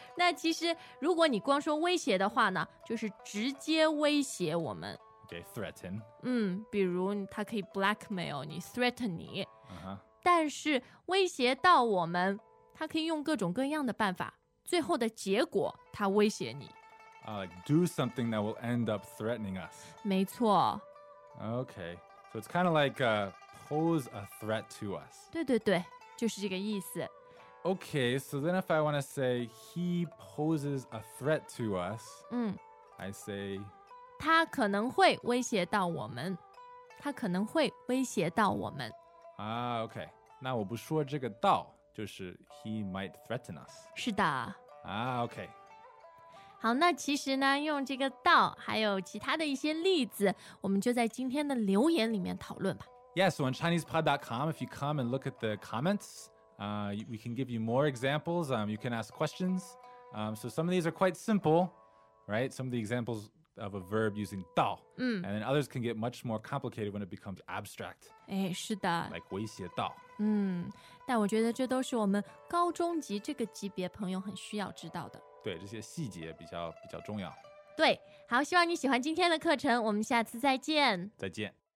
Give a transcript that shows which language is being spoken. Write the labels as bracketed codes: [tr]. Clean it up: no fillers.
[zh] 那其实如果你光说威胁的话呢，就是直接威胁我们。 [en] Okay, threaten. [zh] 比如他可以 [en] blackmail [zh] 你， [en] threaten [zh] 你、 uh-huh. 但是威胁到我们，他可以用各种各样的办法，最后的结果他威胁你、 [en] do something that will end up threatening us. [zh] 没错。 [en] Okay, so it's kind of like pose a threat to us. [zh] 对对对，就是这个意思。 [en] Okay, so then if I want to say he poses a threat to us, I say... [zh] 他可能会威胁到我们，他可能会威胁到我们。 OK, 那我不说这个到，就是 [en] he might threaten us. [zh] 是的。 [en] OK. [zh] 好，那其实呢，用这个到还有其他的一些例子，我们就在今天的留言里面讨论吧。 [en] Yeah, so on ChinesePod.com, if you come and look at the comments, we can give you more examples. You can ask questions. So some of these are quite simple, right? Some of the examples of a verb using 到, and then others can get much more complicated when it becomes abstract. [zh] 哎, 是的。 [en] Like [zh] 威胁到。但我觉得这都是我们高中级这个级别朋友很需要知道的。对，这些细节比较重要。对，好，希望你喜欢今天的课程，我们下次再见。再见。